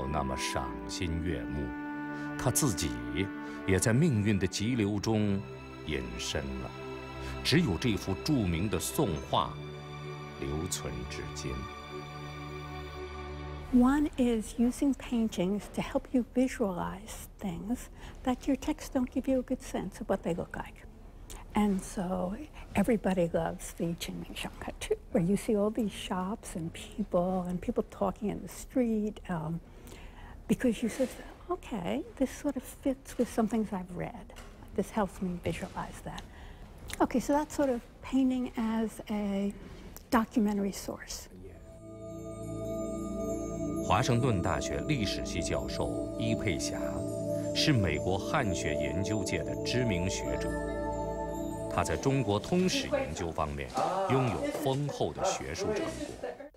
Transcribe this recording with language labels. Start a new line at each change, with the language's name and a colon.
Chinese: 在最要紧的城门口，我们看到有几匹骆驼，那都是域外来的骆驼，扬长而去。门口没有任何一个政府官员、士卒、进行看守，负责管理这座城市，没有。这样看来，画家张择端精心描绘的内容，并没有那么赏心悦目。他自己也在命运的急流中隐身了，只有这幅著名的宋画留存至今。
English: One is using paintings to help you visualize things that your texts don't give you a good sense of what they look like, and so everybody loves the Qingming Shangha too, where you see all these shops and people talking in the street, because you said. Okay, this sort of fits with some things I've read. This helps me visualize that. Okay, so that's sort of painting as a documentary source.
Chinese: 华盛顿大学历史系教授伊佩霞是美国汉学研究界的知名学者。他在中国通史研究方面拥有丰厚的学术成果。